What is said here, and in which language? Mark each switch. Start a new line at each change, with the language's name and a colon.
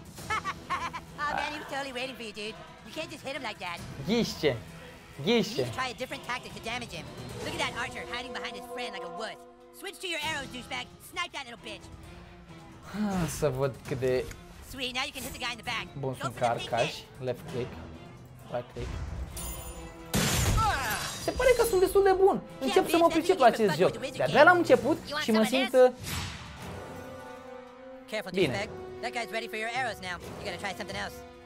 English: Oh man, he was totally waiting for you, dude. You can't just hit him like that. Gishe. Gishe. You need to try a different tactic to damage him. Look at that archer hiding behind his friend like a wuss. Switch to your arrows, douchebag. Snipe that little bitch.
Romanian: Să văd cât de...
English: Sweet, now you can hit the guy in the back.
Romanian: Bun, sunt carcaș.
English: Left click. Right click.
Romanian: Se pare că sunt destul de bun. Încep să mă pricep la acest joc. De-abia l-am început și mă simt...
English: Careful, bine. That guy's ready for your arrows now. You gotta try something else.